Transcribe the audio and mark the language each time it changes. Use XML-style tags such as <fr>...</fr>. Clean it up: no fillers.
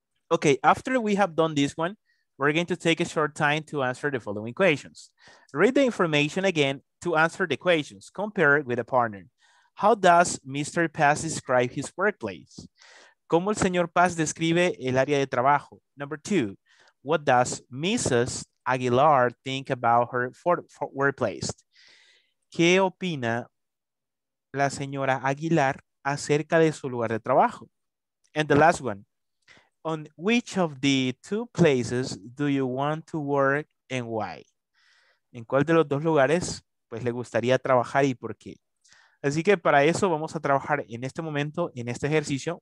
<en>Okay, after we have done this one, we're going to take a short time to answer the following questions. Read the information again to answer the questions. Compare it with a partner. How does Mr. Paz describe his workplace?</en> <es>¿Cómo el señor Paz describe el área de trabajo?</es> <en>Number two, what does Mrs. Aguilar think about her workplace?</en> <es>¿Qué opina la señora Aguilar acerca de su lugar de trabajo?</es> <en>And the last one, on which of the two places do you want to work and why?</en> <es>¿En cuál de los dos lugares pues le gustaría trabajar y por qué? Así que para eso vamos a trabajar en este momento, en este ejercicio.</es>